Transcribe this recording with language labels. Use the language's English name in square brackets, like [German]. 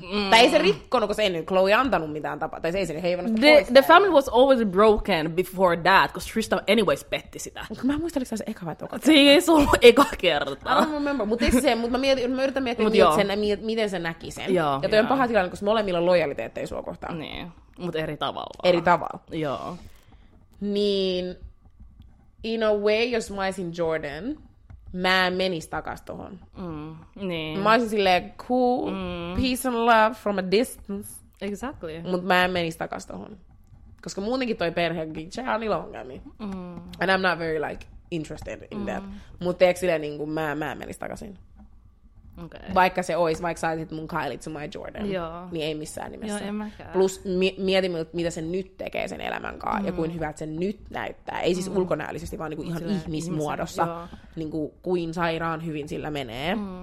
[Finnish] Tai ei se rikkonut, koska ei nyt Chloe antanut mitään tapaa. Tai se ei sinne heivannut sitä pois. [English] The family was always broken before that, [Finnish] koska Tristan anyways petti sitä. Mä en muista, oliko se eka vai toka kerta. Se ei se ollut eka kerta. [English] I don't remember, [Finnish] mutta se, mutta mä yritän miettiä, miten se näki sen. Ja toi on paha tilanne, koska molemmilla on lojaliteetteja sua kohtaan. Niin, mutta eri tavalla. Eri tavalla. Joo. Niin, [English] in a way, [Finnish] jos mä olisin Jordyn, mä en menis takas tohon. Niin. Mä olisin silleen [English] cool, peace and love from a distance. Exactly. [Finnish] Mut mä en menis takas tohon. Koska muutenkin toi perhe, se on niillä ongelmia. [English] And I'm not very like interested in that. [Finnish] Mut teekö silleen niinku mä en menis takasin. [English] Okay. [Finnish] Vaikka se olisi, vaikka saisit mun Kylie to my Jordyn, niin ei missään nimessä. Joo, en mäkään. Plus mieti, mitä se nyt tekee sen elämän kanssa ja kuin hyvältä se nyt näyttää. Ei siis ulkonäöllisesti, vaan niinku ihan ihmismuodossa, niinku, kuin sairaan hyvin sillä menee.